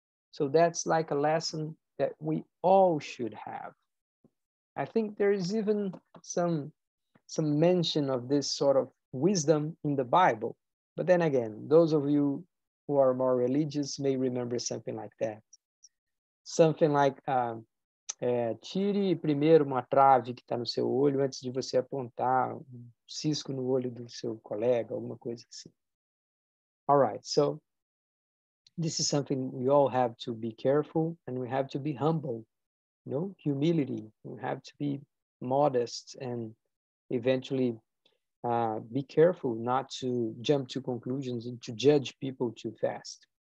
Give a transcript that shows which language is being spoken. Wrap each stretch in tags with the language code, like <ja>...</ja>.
<en>So that's like a lesson that we all should have. I think there is even some mention of this sort of wisdom in the Bible. But then again, those of you who are more religious may remember something like that. Something like,</en> <pt>tire primeiro uma trave que está no seu olho antes de você apontar um cisco no olho do seu colega, alguma coisa assim.</pt> <en>All right, so this is something we all have to be careful and we have to be humble, you know, humility. We have to be modest and eventually be careful not to jump to conclusions and to judge people too fast.</en>